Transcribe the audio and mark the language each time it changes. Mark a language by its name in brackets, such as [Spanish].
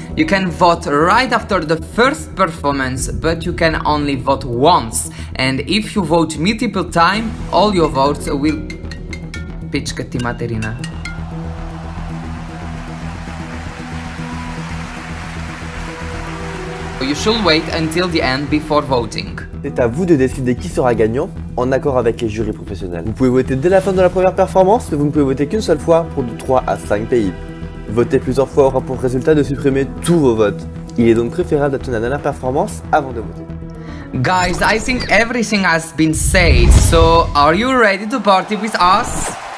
[English] You can vote right after the first performance, but you can only vote once. And if you vote multiple times, all your votes will... [Serbian] Pichka ti materina. [English] You should wait until the end before voting. [French] C'est à vous de décider qui sera gagnant, en accord avec les jurys professionnels. Vous pouvez voter dès la fin de la première performance, mais vous ne pouvez voter qu'une seule fois pour de 3 à 5 pays. Voter plusieurs fois aura pour résultat de supprimer tous vos votes. Il est donc préférable d'attendre la dernière performance avant de voter. [English] Guys, I think everything has been said, so are you ready to party with us?